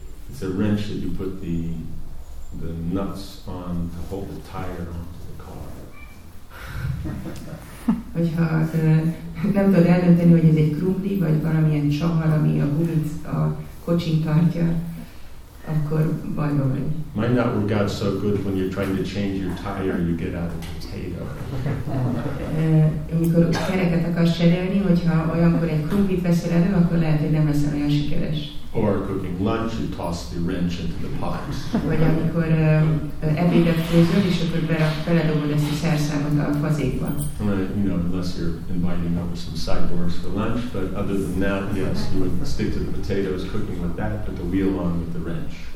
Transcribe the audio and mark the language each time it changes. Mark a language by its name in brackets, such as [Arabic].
[English] It's a wrench that you put the nuts on to hold the tire onto the car. [Hungarian] Hogyha nem tudod eldönteni, hogy ez egy krumpli, vagy valamilyen csavar, ami a gumit a kocsin tartja, akkor baj van. [English] Might not work out so good when you're trying to change your tire, you get out a potato. [Hungarian] Amikor kereket akarsz cserélni, hogyha olyankor egy krumplit veszel elő, akkor lehet, hogy nem lesz olyan sikeres. [English] Or cooking lunch, you toss the wrench into the pot. [Hungarian] Vagy amikor ebédet főzöl, és akkor beledobod ezt a szerszámot a fazékba. [English] You know, unless you're inviting over some cyborgs for lunch, but other than that, yes, you would stick to the potatoes, cooking with that, put the wheel on with the wrench.